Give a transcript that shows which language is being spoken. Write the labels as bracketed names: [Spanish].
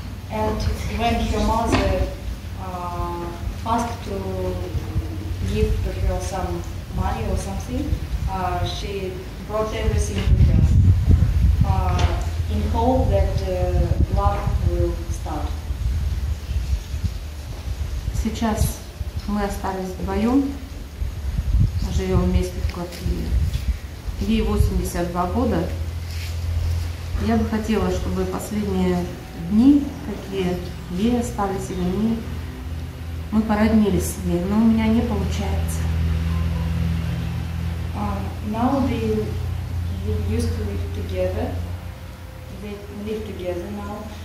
[English] And when her mother asked to give to her some money or something, she brought everything to her. In hope that love will start. [Russian] Сейчас мы остались вдвоем, живем вместе в квартире. Ей 82 года. Я бы хотела, чтобы последние дни, какие ей остались или не, мы породнились с ней, но у меня не получается. [English] Now we used to live together. They live together now.